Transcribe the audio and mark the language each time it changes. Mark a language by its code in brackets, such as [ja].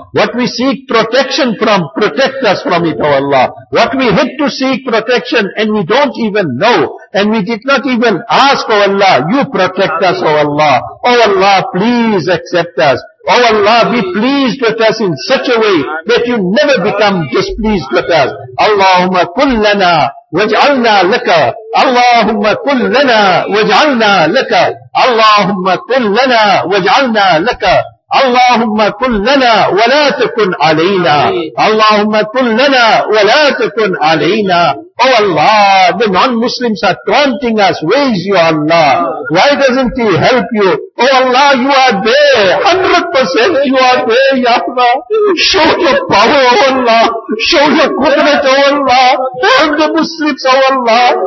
[en] What we seek protection from, protect us from it, O Allah. What we had to seek protection and we don't even know, and we did not even ask, O Allah, you protect us, O Allah. O Allah, please accept us. O Allah, be pleased with us in such a way that you never become displeased with us. [ar] Allahumma kullana واجعلنا لك اللهم كن لنا واجعلنا لك اللهم كن لنا واجعلنا لك اللهم كن لنا ولا تكن علينا اللهم كن لنا ولا تكن علينا. [en] Oh Allah, the non-Muslims are taunting us. Where is your Allah? Why doesn't he help you? Oh Allah, you are there. 100% you are there, Ya Allah. Show your power, oh Allah. Show your qudrat, oh Allah. Help the Muslims, oh Allah.